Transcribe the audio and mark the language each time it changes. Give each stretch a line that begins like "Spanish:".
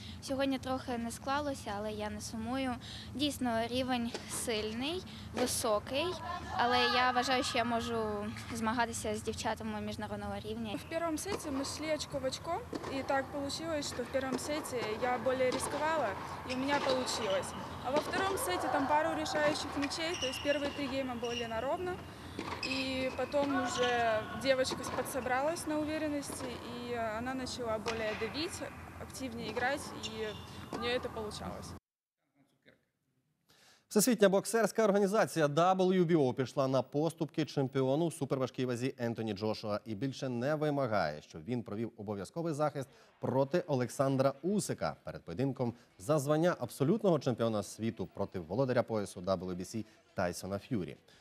Ukrainian: Сьогодні трохи не склалося, але я не сумую. Дійсно, рівень сильний, високий, але я вважаю, що я можу змагатися з дівчатами міжнародного рівня. В першому сеті ми йшли очко в очко, і так вийшло, що в першому сеті я більше ризикувала, і у мене вийшло.
Russian: А во втором
Ukrainian: сеті там пару рішаючих м'ячей, тобто перші три гейми були на рівно.
Russian: И потом уже девочка подсобралась на уверенности, и она начала более давить, активнее играть, и у нее это получалось.
Ukrainian: Всесвітня боксерська організація WBO пішла на поступки чемпіону у суперважкій вазі Ентоні Джошуа і більше не вимагає, щоб він провів обов'язковий захист проти Олександра Усика перед поєдинком за звання абсолютного чемпіона світу проти володаря поясу WBC Тайсона Ф'юрі.